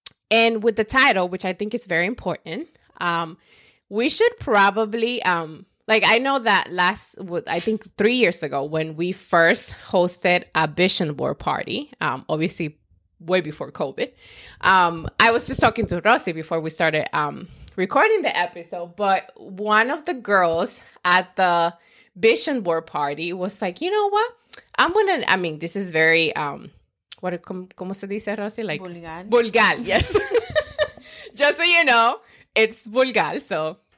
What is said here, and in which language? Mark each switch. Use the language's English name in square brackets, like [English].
[English] And with the title, which I think is very important, we should probably, like I know that I think 3 years ago when we first hosted a vision board party, obviously way before COVID, I was just talking to Rosie before we started recording the episode, but one of the girls at the vision board party was like, you know what? This is very, [Spanish] ¿cómo se dice, [English] Rosie? Like, vulgar. Vulgar, yes. Just so you know, it's vulgar, so...